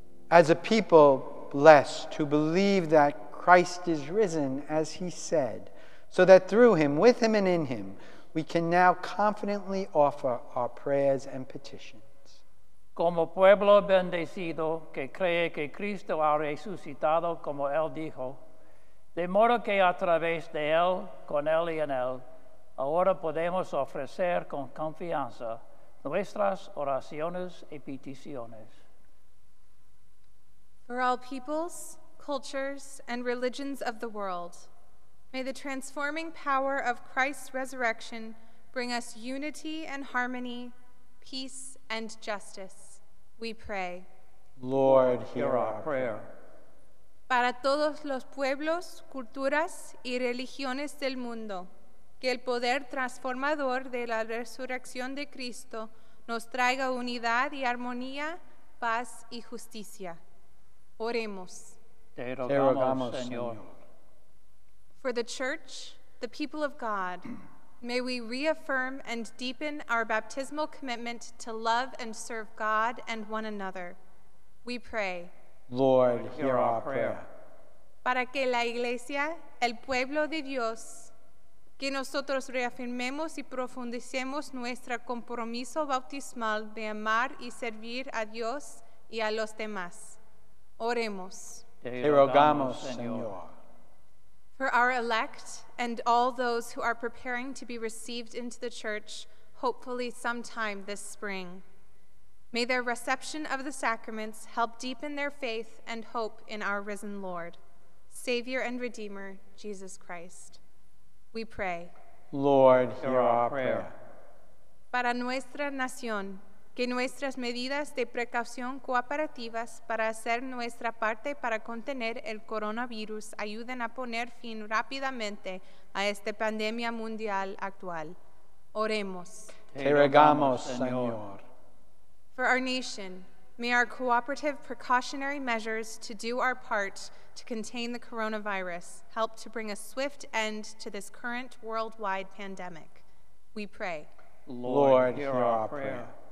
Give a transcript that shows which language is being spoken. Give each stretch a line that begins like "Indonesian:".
English: As a people blessed who believe that Christ is risen, as he said, so that through him, with him, and in him, we can now confidently offer our prayers and petitions.
Spanish: Como pueblo bendecido que cree que Cristo ha resucitado como él dijo, de modo que a través de él, con él y en él, ahora podemos ofrecer con confianza nuestras oraciones y peticiones.
English: For all peoples, cultures, and religions of the world, may the transforming power of Christ's resurrection bring us unity and harmony, peace and justice. We pray. Lord, hear our prayer.
Spanish: Para todos los pueblos, culturas, y religiones del mundo, que el poder transformador de la resurrección de Cristo nos traiga unidad y armonía, paz y justicia. Oremos. Te rogamos, Señor.
English: For the Church, the people of God, may we reaffirm and deepen our baptismal commitment to love and serve God and one another. We pray. Lord, hear our prayer.
Spanish: Para que la Iglesia, el pueblo de Dios, que nosotros reafirmemos y profundicemos nuestro compromiso bautismal de amar y servir a Dios y a los demás. Oremos. Te rogamos, Señor.
English: For our elect and all those who are preparing to be received into the church, hopefully sometime this spring, may their reception of the sacraments help deepen their faith and hope in our risen Lord, Savior and Redeemer, Jesus Christ. We pray. Lord, hear our prayer.
Spanish: Para nuestra nación, que nuestras medidas de precaución cooperativas para hacer nuestra parte para contener el coronavirus ayuden a poner fin rápidamente a esta pandemia mundial actual. Oremos. Te rogamos, Señor.
English: For our nation, may our cooperative precautionary measures to do our part to contain the coronavirus help to bring a swift end to this current worldwide pandemic. We pray. Lord, hear our prayer.